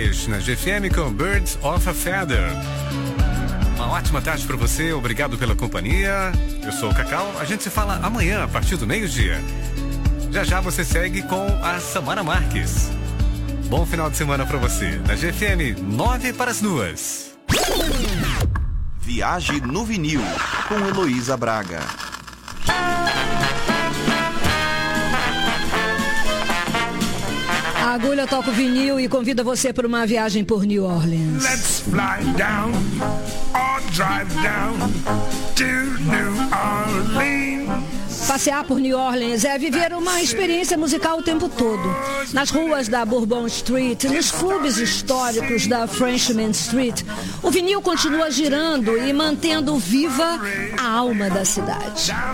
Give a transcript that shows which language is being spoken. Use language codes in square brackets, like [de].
[pt] Na GFM com Birds of a Feather. Uma ótima tarde para você, obrigado pela companhia. Eu sou o Cacau, a gente se fala amanhã a partir do meio-dia. Já já você segue com a Samara Marques. Bom final de semana para você. Na GFM, 9 para as 2. Viaje no vinil com Heloísa Braga. A Agulha toca o vinil e convida você para uma viagem por New Orleans. [en] Let's fly down or drive down to New Orleans. [pt] Passear por New Orleans é viver uma experiência musical o tempo todo. Nas ruas da Bourbon Street, nos clubes históricos da Frenchman Street, o vinil continua girando e mantendo viva a alma da cidade.